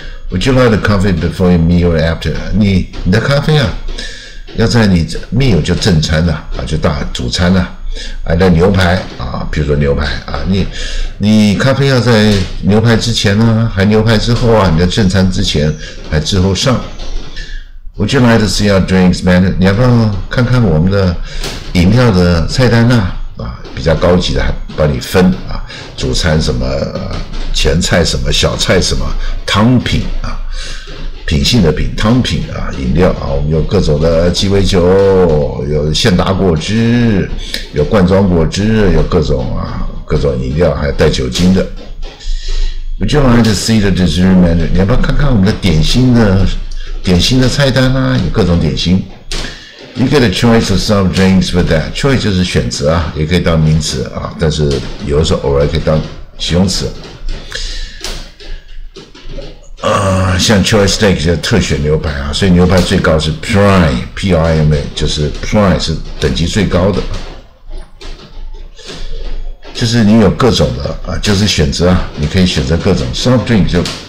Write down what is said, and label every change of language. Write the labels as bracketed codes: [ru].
[en] Would you like the coffee before your meal or after？ [zh] 你的咖啡啊，要在你 meal 就正餐呢 啊就大主餐呢 啊在牛排啊，比如说牛排啊，你咖啡要在牛排之前呢，还牛排之后啊，你的正餐之前还之后上。 [en] Would you like to see our drinks menu？ [zh] 你要不要看看我们的饮料的菜单啊？啊，比较高级的还帮你分啊，主餐什么、前菜什么小菜什么汤品啊，品性的品汤品啊，饮料啊，我们有各种的鸡尾酒，有现打果汁，有罐装果汁，有各种啊各种饮料，还带酒精的。 [en] Would you like to see the dessert menu？ [zh] 你要不要看看我们的点心呢？点心的菜单啊，有各种点心。 [en] You get a choice of some drinks with that. [zh] Choice 就是选择啊，也可以当名词啊，但是有的时候偶尔可以当形容词。像 choice steak 就是特选牛排啊，所以牛排最高是 prime， P R I M E， 就是 prime 是等级最高的，就是你有各种的啊，就是选择啊，你可以选择各种 soft drink 就。